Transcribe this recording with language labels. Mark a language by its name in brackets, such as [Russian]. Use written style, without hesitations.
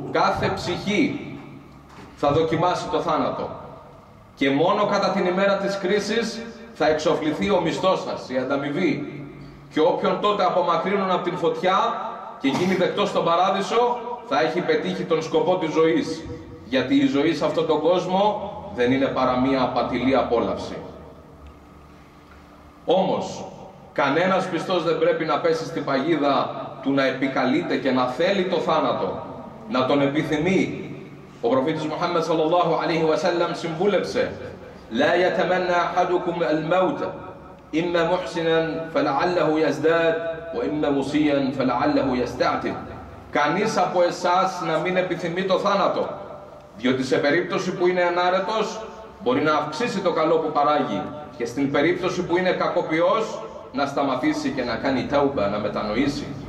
[Greek] Κάθε ψυχή θα δοκιμάσει το θάνατο και μόνο κατά την ημέρα της κρίσης θα εξοφληθεί ο μισθός σας, η ανταμοιβή, και όποιον τότε απομακρύνουν από την φωτιά και γίνει δεκτός στον παράδεισο θα έχει πετύχει τον σκοπό της ζωής, γιατί η ζωή σε αυτόν τον κόσμο δεν είναι παρά μία απατηλή απόλαυση. Όμως κανένας πιστός δεν πρέπει να πέσει στη παγίδα του να επικαλείται και να θέλει το θάνατο, να τον επιθυμεί. Ο προφήτης [Arabic] Μουχάμμεδ sallallahu alayhi wa sallam [Greek] συμβούλεψε [Arabic] «Λα يتمنى أحدكم الموت إما محسنا فلعله يزداد وإما مسيا فلعله يستعتب». [Greek] Κανείς από εσάς να μην επιθυμεί το θάνατο, διότι σε περίπτωση που είναι ανάρετος μπορεί να αυξήσει το καλό που παράγει και στην περίπτωση που είναι κακοποιός να σταματήσει και να κάνει τάουμπα, να μετανοήσει.